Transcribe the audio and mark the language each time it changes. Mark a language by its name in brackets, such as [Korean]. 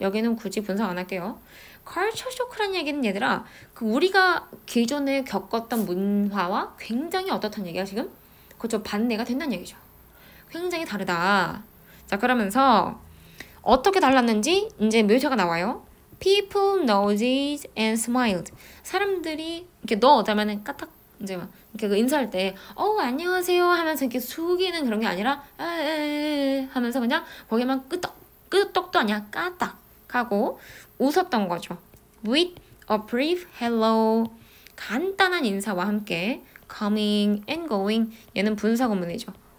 [Korean] 여기는 굳이 분석 안 할게요. Culture shock란 얘기는 얘들아, 그 우리가 기존에 겪었던 문화와 굉장히 어떻다는 얘기야 지금? 그쵸, 반대가 된다는 얘기죠. 굉장히 다르다. 자, 그러면서 어떻게 달랐는지 이제 묘사가 나와요. [English] People noticed and smiled. [Korean] 사람들이 이렇게 너 어쩌면 까딱 이제 막 이렇게 인사할 때 안녕하세요 하면서 이렇게 숙이는 그런 게 아니라 에에에 하면서 그냥 거기만 끄덕끄덕도 아니야 까딱 하고 웃었던 거죠. [English] With a brief hello, [Korean] 간단한 인사와 함께 [English] coming and going, [Korean] 얘는 분사 구문이죠.